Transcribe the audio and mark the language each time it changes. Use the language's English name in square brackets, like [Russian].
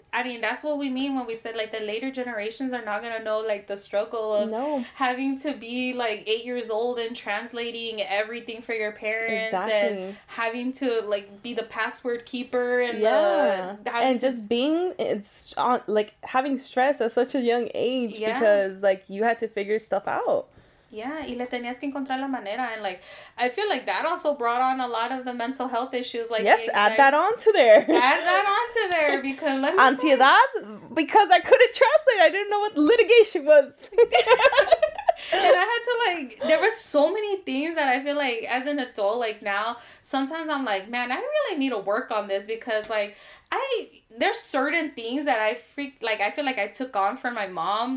[English] I mean, that's what we mean when we said, like, the later generations are not going to know, like, the struggle of having to be, like, 8 years old and translating everything for your parents. Exactly. And having to, like, be the password keeper. And having stress at such a young age because, like, you had to figure stuff out. [Spanish] Yeah, y le tenías que encontrar la manera. [English] And, like, I feel like that also brought on a lot of the mental health issues. Like, yes, like, add that on to there. Add that on to there. Because, let me ansiedad, say, because I couldn't translate. I didn't know what litigation was. And I had to, like, there were so many things that I feel like as an adult, like now, sometimes I'm like, man, I really need to work on this because like there's certain things that I feel like I took on from my mom.